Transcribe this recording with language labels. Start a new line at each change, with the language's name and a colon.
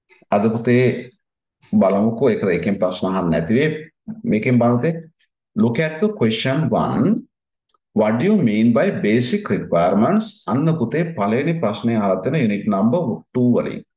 Sinhala: අද පුතේ බලමුකෝ එකද එකෙන් ප්‍රශ්න අහන්න නැති වෙයි. මේකෙන් බලතේ
English: look at the question 1. What do you mean by basic requirements?
Sinhala: අන්න පුතේ පළවෙනි ප්‍රශ්නේ අහලා තියෙන unit number 2 වලින්.